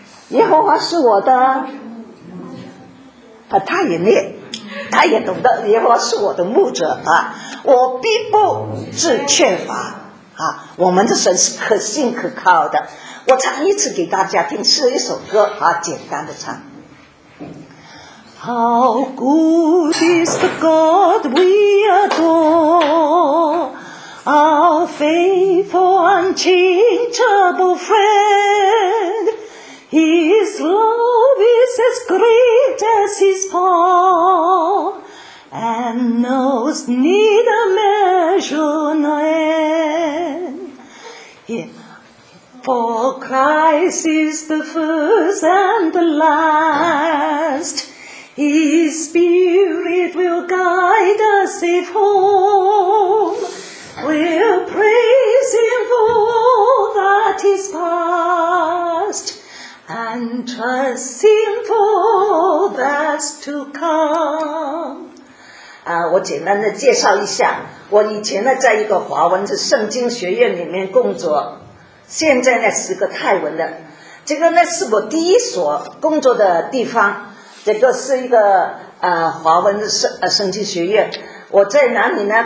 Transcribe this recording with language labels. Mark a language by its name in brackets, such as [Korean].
[Chinese] 耶和华是我的，他也念，他也懂得耶和华是我的牧者啊，我必不致缺乏啊。我们的神是可信可靠的。我唱一次给大家听，是一首歌啊，简单的唱。 [English] How good is the God we adore, our faithful, unchangeable friend. His love is as great as his power, and knows neither measure nor end. For Christ is the first and the last. His Spirit will guide us safe home. We'll praise Him for all that is past, and trust Him for all that's to come. [Chinese] 我简单的介绍一下，我以前呢在一个华文的圣经学院里面工作，现在呢是个泰文的，这个呢是我第一所工作的地方。这个是一个华文的圣经学院，我在哪里呢？